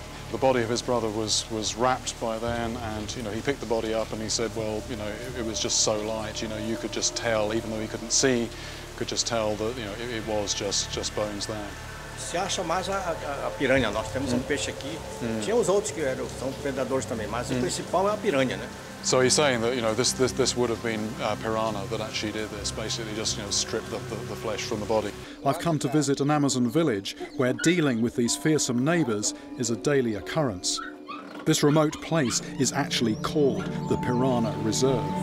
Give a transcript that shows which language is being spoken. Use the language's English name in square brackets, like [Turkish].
[English] The body of his brother was wrapped by then, and you know, he picked the body up and he said, well, you know, it was just so light, you know, you could just tell, even though he couldn't see, could just tell that, you know, it was just bones there. [Portuguese] Se acha mais a piranha, nós temos um peixe aqui. Tinha os outros que eram são predadores também, mas o principal é a piranha, né? [English] So he's saying that, you know, this would have been piranha that actually did this, basically just, you know, stripped the flesh from the body. I've come to visit an Amazon village where dealing with these fearsome neighbours is a daily occurrence. This remote place is actually called the Piranha Reserve.